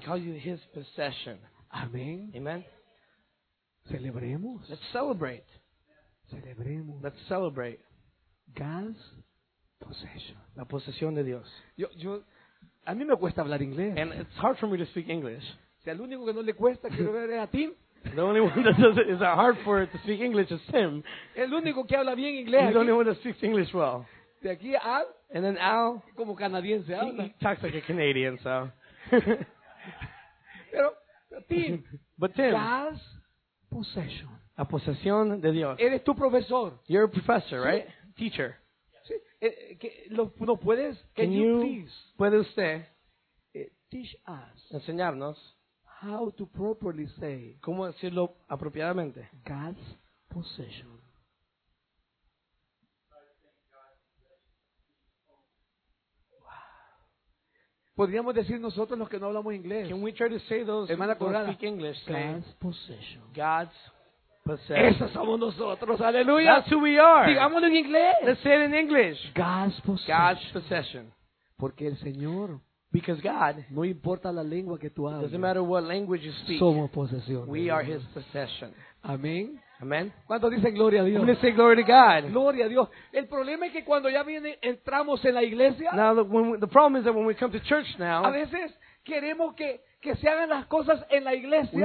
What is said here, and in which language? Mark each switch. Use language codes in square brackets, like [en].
[en] He calls you his possession. [es] Amén. [en] Amen. [es] Celebremos. [en] Let's celebrate. [es] Celebremos. [en] Let's celebrate. God's possession. [es] La posesión de Dios. Yo a mí me cuesta hablar inglés. [en] And it's hard for me to speak English. [es] Si al único que no le cuesta quiero ver es a Tim. [en] The only one that does it, is that hard for it to speak English is Tim. [es] El único que habla bien inglés. [en] He's the only one that speaks English well. [es] De aquí Al, [en] and then Al, [es] como canadiense, Al, [en] he talks like a Canadian, so. [es] Pero, Tim, [en] but Tim, God's possession. La posesión de Dios. [es] Eres tu profesor. [en] You're a professor, [es] ¿sí? [en] Right? Teacher. [es] Sí. Que lo, no puedes. [en] Can you, you please? [es] Puede usted. [en] Teach us. [es] Enseñarnos. [en] How to properly say. [es] Cómo decirlo apropiadamente. [en] God's possession. [es] Podríamos decir nosotros los que no hablamos inglés. [en] Can we try to say those who don't speak English? God's possession. God's possession. [es] Esos somos nosotros. Aleluya. [en] That's who we are. [es] Digámoslo en inglés. [en] Let's say it in English. God's possession. God's possession. [es] Porque el Señor. [en] Because God. [es] No importa la lengua que tú hables. [en] Doesn't matter what language you speak. [es] Somos posesión. [en] We are His possession. [es] Amén. [en] Amen. [es] ¿Cuánto dice gloria a Dios? [en] Let's say glory to God. [es] Gloria a Dios. El problema es que cuando ya viene entramos en la iglesia. [en] Now the problem is that when we come to church now. [es] A veces queremos que se hagan las cosas en la iglesia.